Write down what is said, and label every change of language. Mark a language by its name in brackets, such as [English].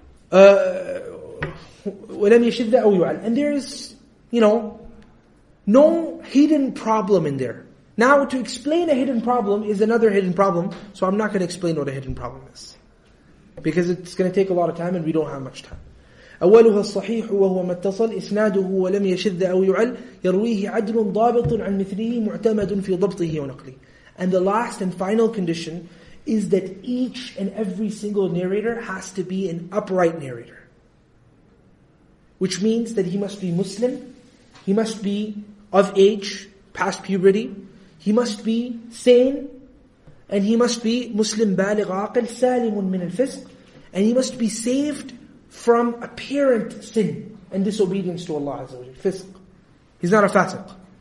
[Arabic] وَلَمْ يَشِذَّ أَوْ يُعَلْ. [English] And there is, you know, no hidden problem in there. Now to explain a hidden problem is another hidden problem. So I'm not going to explain what a hidden problem is. Because it's going to take a lot of time and we don't have much time. [Arabic] أولها الصحيح وهو ما اتصل إسناده ولم يشذ أو يعل يرويه عدل ضابط عن مثله معتمد في ضبطه ونقله. [English] And the last and final condition is that each and every single narrator has to be an upright narrator. Which means that he must be Muslim, he must be of age, past puberty, he must be sane, and he must be Muslim [Arabic] بالغ عاقل سالم من الفسق, [English] and he must be saved from apparent sin and disobedience to Allah Azza wa Jalla. Fisq. He's not a fasiq.